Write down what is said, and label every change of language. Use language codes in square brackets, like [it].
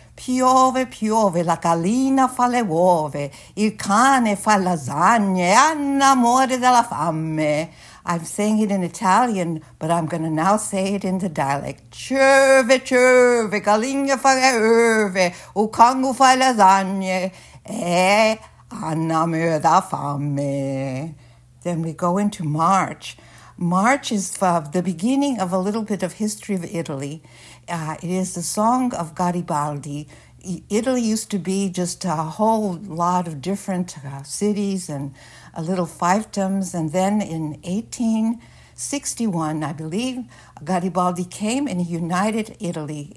[it] Piove, piove, la gallina fa le uova, il cane fa lasagne, Anna muore della fame. [en] I'm saying it in Italian, but I'm going to now say it in the dialect. [it] Cerve, cerve, gallina fa le uova, il cane fa lasagne, e Anna muore della fame. [en] Then we go into March. March is the beginning of a little bit of history of Italy. It is the song of Garibaldi. Italy used to be just a whole lot of different cities and a little fiefdoms. And then in 1861, I believe, Garibaldi came and united Italy.